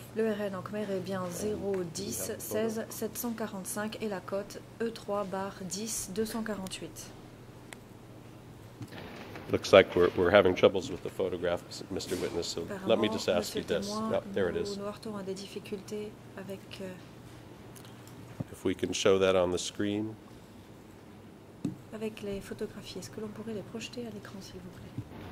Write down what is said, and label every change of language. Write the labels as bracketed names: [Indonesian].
[French] L'ERN en Khmer est bien 010-16-745 et la cote E3/10248. [English] Looks like we're having troubles with the photograph, Mr. Witness, so let me just ask you this. Oh, there it is. [French] Nous heurtons à des difficultés avec, [English] if we can show that on the screen. [French] Avec les photographies, est-ce que l'on pourrait les projeter à l'écran, s'il vous plaît?